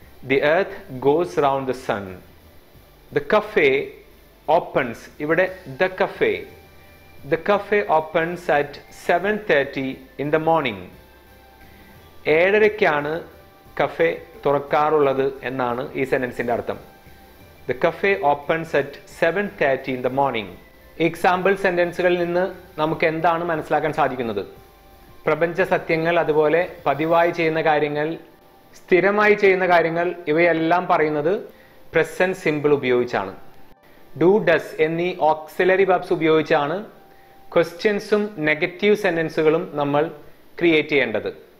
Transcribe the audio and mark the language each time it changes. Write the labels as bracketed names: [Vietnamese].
[English] The earth goes round the sun. The cafe opens. [Malayalam] ഇവിടെ the cafe [English] The cafe opens at 7:30 in the morning. [Malayalam] 7:30 cafe തുറക്കാറുള്ളത് എന്നാണ് ഈ സെന്റൻസിന്റെ അർത്ഥം. [English] The cafe opens at 7:30 in the morning. [Malayalam] Example സെന്റൻസുകളിൽ നിന്ന് നമുക്ക് എന്താണ് മനസ്സിലാക്കാൻ സാധിക്കുന്നത്? പ്രപഞ്ച സത്യങ്ങൾ, അതുപോലെ പതിവായി ചെയ്യുന്ന കാര്യങ്ങൾ, സ്ഥിരമായി ചെയ്യുന്ന കാര്യങ്ങൾ, ഇവയെല്ലാം പറയുന്നത് പ്രസന്റ് സിമ്പിൾ ഉപയോഗിച്ചാണ്. ഡു, ഡസ് എന്നീ ഓക്സിലറി വെർബ്സ് ഉപയോഗിച്ചാണ് ക്വസ്റ്റ്യൻസും നെഗറ്റീവ് സെന്റൻസുകളും നമ്മൾ ക്രിയേറ്റ് ചെയ്യേണ്ടത്.